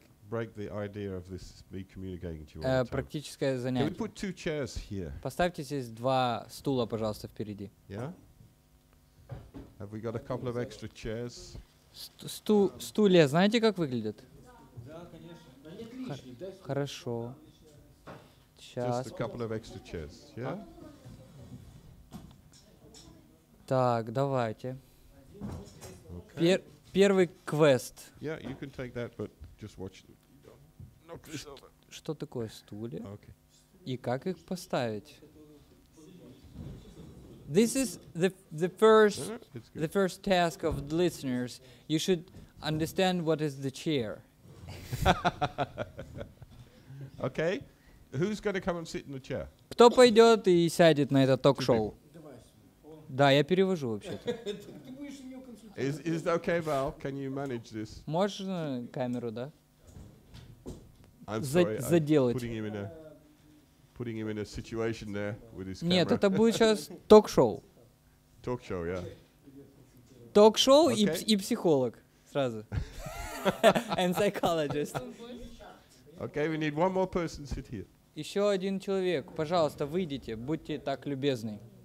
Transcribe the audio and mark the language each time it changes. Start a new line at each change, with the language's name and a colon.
English: Break the idea of this me communicating to you.
Russian: Практическое занятие.
English: Can we put two chairs here?
Russian: Поставьте здесь два стула, пожалуйста, впереди.
English: Yeah. Have we got a couple of extra chairs?
Russian: Стулья, знаете, как выглядят? Да, конечно. Хорошо.
English: Just a couple of extra chairs, yeah?
Russian: Так, давайте.
English: Okay.
Russian: Первый квест.
English: Yeah, you can take that, but just watch.
Russian: Что такое стулья?
English: Okay.
Russian: И как их поставить?
English: This is the first task of the listeners. You should understand what is the chair. Okay. Who's going to come and sit in the chair?
Russian: Кто пойдет и сядет на это ток-шоу? Да, я перевожу вообще-то.
English: Is it okay, Val? Can you manage this?
Russian: Можно камеру, да?
English: I'm sorry, I'm putting him in a situation there with his camera.
Russian: Нет, это будет сейчас ток-шоу. Ток-шоу, yeah. Ток-шоу и психолог сразу.
English: And psychologist. Okay, we need one more person to sit here.
Russian: Еще один человек, пожалуйста, выйдите, будьте так любезны.